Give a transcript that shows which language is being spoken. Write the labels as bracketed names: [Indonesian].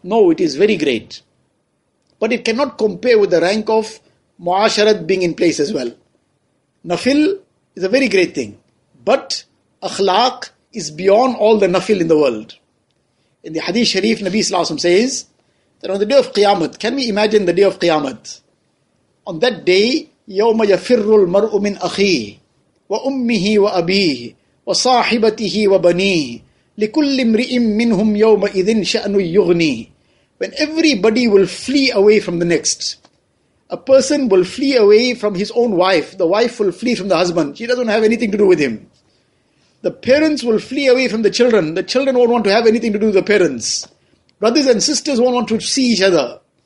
[English] No, it is very great. But it cannot compare with the rank of muasharat being in place as well. Nafil is a very great thing, but akhlaq is beyond all the nafil in the world. In the hadith sharif, Nabi Sallallahu Alaihi Wasallam says that on the day of Qiyamah, can we imagine the day of Qiyamah? On that day, [Arabic] يَوْمَ يَفِرُّ الْمَرْءُ مِنْ أَخِيهِ وَأُمِّهِ وَأَبِيهِ وَصَاحِبَتِهِ وَبَنِيهِ لِكُلِّ امْرِئٍ مِّنْهُمْ يَوْمَئِذٍ شَأْنُ يُغْنِيهِ. [English] When everybody will flee away from the next. A person will flee away from his own wife. The wife will flee from the husband. She doesn't have anything to do with him. The parents will flee away from the children. The children won't want to have anything to do with the parents. Brothers and sisters won't want to see each other.